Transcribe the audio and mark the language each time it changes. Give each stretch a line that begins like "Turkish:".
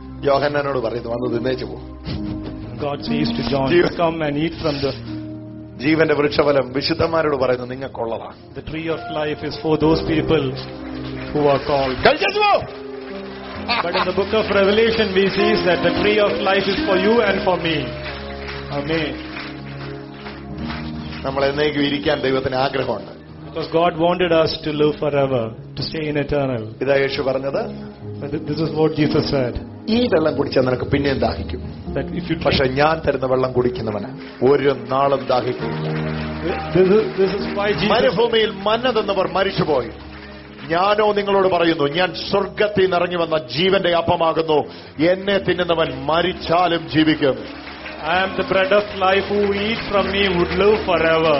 Malayalam: യോഹന്നാനോട് പറയുന്നു വന്ന് തിന്നേച്ചു പോ.
English: God says to John, come and eat from the
Malayalam: ജീവന്റെ വൃക്ഷഫലം വിശുദ്ധന്മാരോട് പറയുന്നു നിങ്ങൾക്ക് കൊള്ളതാ.
English: The tree of life is for those people who are called.
Malayalam: കഴിച്ചു പോ.
English: But in the book of Revelation we see that the tree of life is for you and for me. Amen.
Malayalam: നമ്മൾ എന്നേക്കും ഇരിക്കാൻ ദൈവത്തിന് ആഗ്രഹമുണ്ട്.
English: Because God wanted us to live forever, to stay in eternal.
Malayalam: ഇതാ യേശു പറഞ്ഞത്.
English: This is what Jesus said.
Malayalam: ഈ വെള്ളം കുടിച്ചാൽ നിനക്ക് പിന്നെ ദാഹിക്കും.
English: That if you drink,
Malayalam: പക്ഷേ ഞാൻ തരുന്ന വെള്ളം കുടിക്കുന്നവനെ ഒരു നാളും ദാഹിക്കില്ല.
English: This is why Jesus
Malayalam: മരുഭൂമിയിൽ മന്നതെന്നവർ മരിച്ചുപോയി. ഞാനോ നിങ്ങളോട് പറയുന്നു, ഞാൻ സ്വർഗത്തിൽ നിറഞ്ഞു വന്ന ജീവന്റെ അപ്പമാകുന്നു. എന്നെ തിന്നുന്നവൻ മരിച്ചാലും ജീവിക്കും.
English: I am the bread of life, who eat from me would live forever.